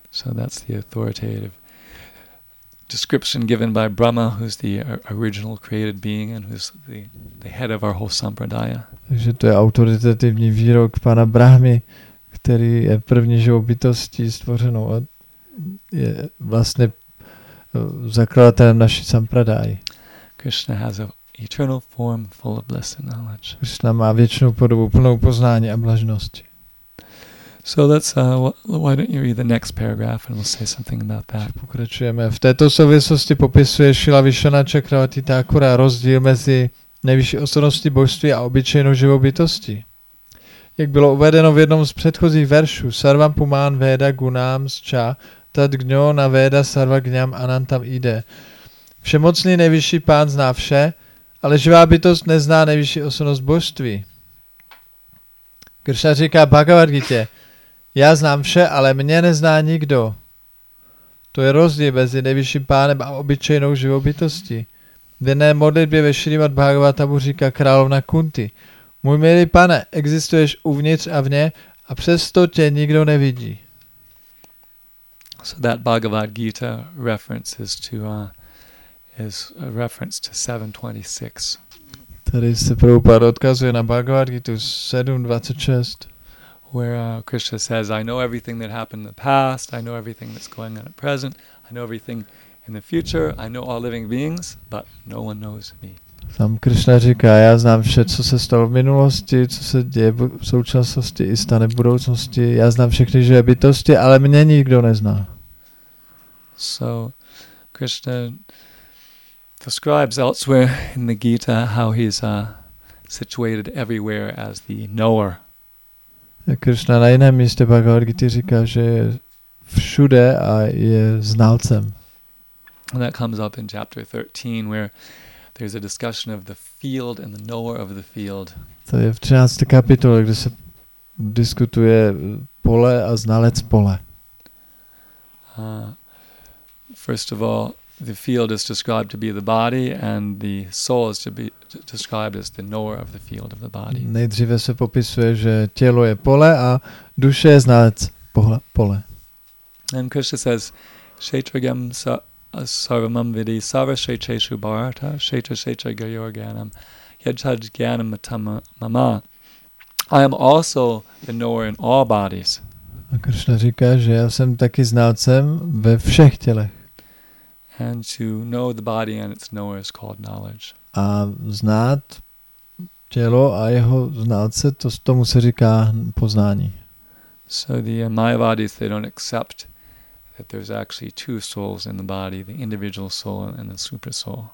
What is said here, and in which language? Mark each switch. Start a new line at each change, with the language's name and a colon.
English: So that's the authoritative description given by Brahma, who's the original created being and who's the head of our whole sampradaya.
Czech: Takže to je autoritativní výrok pana Brahmy, který je první živou bytostí stvořenou a je vlastně zakladatelem naší sampradaji.
English: Krishna has an eternal form full of bliss and knowledge.
Czech: Krishna má věčnou podobu plnou poznání a blaženosti.
English: So let's why don't you read the next paragraph and we'll say something about that.
Czech: Pokračujeme. V této souvislosti popisuje Šila Vishvanatha Chakravarti Thakura rozdíl mezi nejvyšší osobností božství a obyčejnou živou bytostí. Jak bylo uvedeno v jednom z předchozích veršů,
Sanskrit: Sarvam Pumán Veda Gunam Sča Tad Gňo na Veda Sarva Gňam Anantam Ide.
Czech: Všemocný nejvyšší pán zná vše, ale živá bytost nezná nejvyšší osobnost božství. Krishna říká Bhagavad Gita, já znám vše, ale mě nezná nikdo. To je rozdíl mezi nejvyšším pánem a obyčejnou živou bytostí. V jedné modlitbě ve Šrimad Bhagavatamu říká královna Kunti. Můj milý pane, existuješ uvnitř a vně a přesto tě nikdo nevidí.
English: So that Bhagavad Gita references is a reference to 7:26.
Czech: Tady se Prabhupada odkazuje na Bhagavad Gita 7:26.
English: Where Krishna says, I know everything that happened in the past, I know everything that's going on at present, I know everything in the future, I know all living beings, but no one knows me.
Czech: Tam Krishna říká, já znám vše, co se stalo v minulosti, co se děje v současnosti i stane v budoucnosti, já znám všechny živé bytosti, ale mě nikdo nezná.
English: So, Krishna describes elsewhere in the Gita how he's situated everywhere as the knower.
Czech: Krishna na jiném místě Bhagavad Gita říká, že je všude a je znalcem.
English: And that comes up in chapter 13, where there's a discussion of the field and the knower of the field.
Czech: To je v 13. kapitole, kde se diskutuje pole a znalec pole.
English: First of all, the field is described to be the body, and the soul is to be described as the knower of the field of the body.
Czech: Nejdříve se popisuje, že tělo je pole a duše je znalec pole.
English: And Krishna says,
Sanskrit: "Kshetragam sa sarvamam vidhi sarvashetreshu bharata kshetra gayor gyanam yajaj gyanam matama mama."
English: I am also the knower in all bodies.
Czech: A Krishna říká, že já jsem taky znalcem ve všech tělech.
English: And to know the body and its knower is called knowledge.
Czech: A znát tělo a jeho znalce, to tomu se říká poznání.
English: So the Mayavadis, they don't accept that there's actually two souls in the body, the individual soul and the super soul.